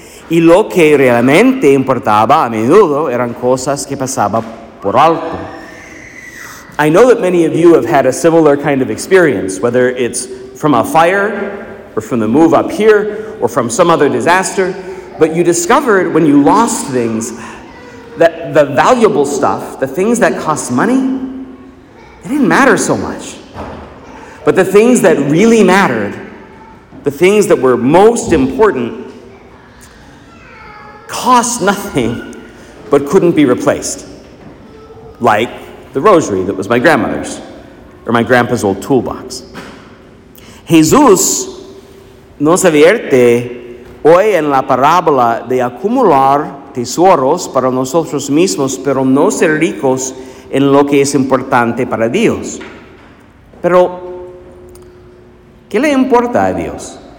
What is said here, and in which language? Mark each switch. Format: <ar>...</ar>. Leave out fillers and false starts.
<es>Y lo que realmente importaba a menudo eran cosas que pasaba por alto.</es> <en>I know that many of you have had a similar kind of experience, whether it's from a fire or from the move up here or from some other disaster, but you discovered when you lost things that the valuable stuff, the things that cost money, they didn't matter so much. But the things that really mattered, the things that were most important, cost nothing but couldn't be replaced. Like the rosary that was my grandmother's or my grandpa's old toolbox.</en> <es>Jesús nos advierte hoy en la parábola de acumular tesoros para nosotros mismos, pero no ser ricos en lo que es importante para Dios. Pero ¿qué le importa a Dios?</es>